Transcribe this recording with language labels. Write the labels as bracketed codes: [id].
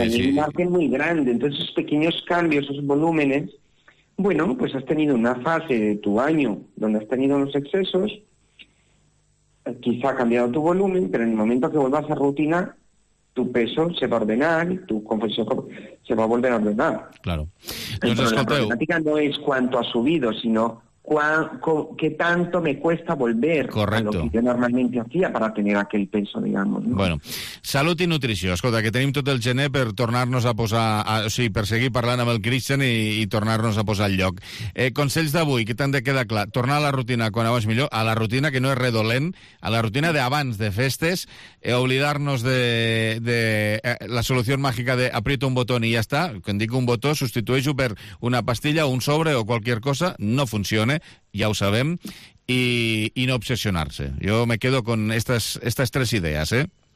[es] Hay un margen muy grande. Entonces, esos pequeños cambios, esos volúmenes, bueno, pues has tenido una fase de tu año donde has tenido unos excesos, quizá ha cambiado tu volumen, pero en el momento que vuelvas a rutina, tu peso se va a ordenar, tu confesión se va a volver a ordenar. Claro. Entonces, la problemática no es cuánto ha subido, sino qué tanto me cuesta volver. Correcto. A lo que yo normalmente hacía para tener aquel peso, digamos, ¿no? [ca] Bueno, salut i nutrició. Escolta, que tenim tot el gener per tornar-nos a posar... per seguir parlant amb el Christian i tornar-nos a posar al lloc. Consells d'avui, que t'han de quedar clar. Tornar a la rutina quan abans millor, a la rutina que no és redolent, a la rutina d'abans de festes, oblidar-nos de la solució màgica de [es] aprieto [ca] un botó i ja està. Quan dic un botó, substitueixo per una pastilla, un sobre o qualsevol cosa, no funciona. [es] Ya lo sabemos, y no obsesionarse. Yo me quedo con estas tres ideas, ¿eh?